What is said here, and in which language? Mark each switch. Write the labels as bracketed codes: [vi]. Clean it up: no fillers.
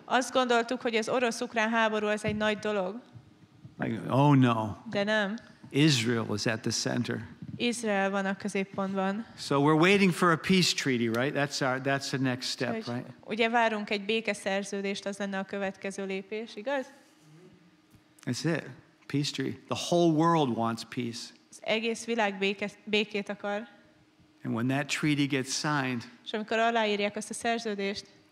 [hu] Azt gondoltuk, hogy az orosz-ukrán háború az egy nagy dolog. [en] Like, oh no. [hu] De nem. [en] Israel is at the center. [hu] Izrael van a középpontban. [en] So we're waiting for a peace treaty, right? That's the next step, right? [hu] Ugye várunk egy békeszerződést, az lenne a következő lépés, igaz? [en] That's it. Peace treaty. The whole world wants peace. [hu] Egész világ békét akar. [en] And when that treaty gets signed, [hu] és amikor aláírják azt a szerződést,